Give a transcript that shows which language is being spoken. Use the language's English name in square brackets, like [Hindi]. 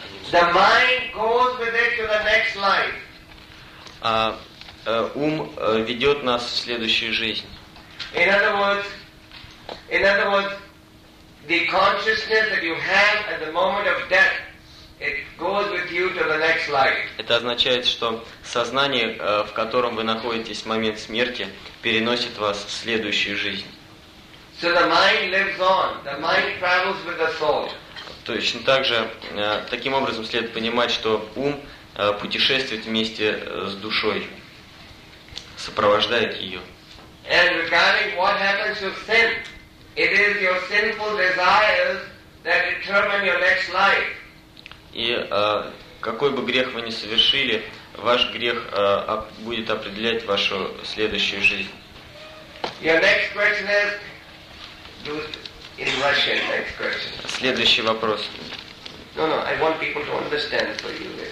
[English] The mind goes with it to the next life. [Russian] Ведет нас в следующую жизнь. [English] In other words, the consciousness that you have at the moment of death, it goes with you to the next life. [Russian] Это означает, что сознание, в котором вы находитесь в момент смерти, переносит вас в следующую жизнь. [English] So the mind lives on. The mind travels with the soul. [Russian] Точно так же, таким образом следует понимать, что ум путешествует вместе с душой, сопровождает ее. [English] And regarding what happens to sin, it is your sinful desires that determine your next life. [Russian] И какой бы грех вы ни совершили, ваш грех будет определять вашу следующую жизнь. [English] Your next question is, in Russian, next question. [Russian] Следующий вопрос. [English] No, I want people to understand for you.